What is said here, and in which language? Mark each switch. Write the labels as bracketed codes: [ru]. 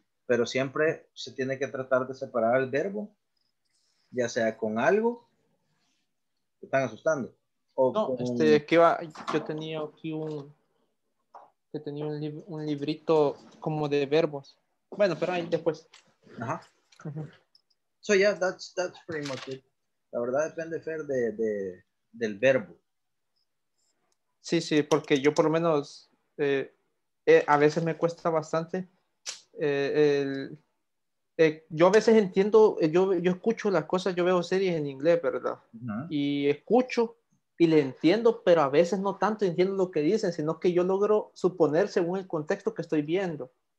[es] Pero siempre se tiene que tratar de separar el verbo, ya sea con algo. ¿Te están asustando? Yo tenía aquí un librito como de verbos. Bueno, pero ahí después. Ajá. [en] Uh-huh. So yeah, that's pretty much it. [es] La verdad depende, Fer, del verbo. Sí, sí, porque yo por lo menos a veces me cuesta bastante. Yo a veces entiendo, yo escucho las cosas, yo veo series en inglés, ¿verdad? Uh-huh. Y escucho y le entiendo, pero a veces no tanto entiendo lo que dicen, sino que yo logro suponer según el contexto que estoy viendo.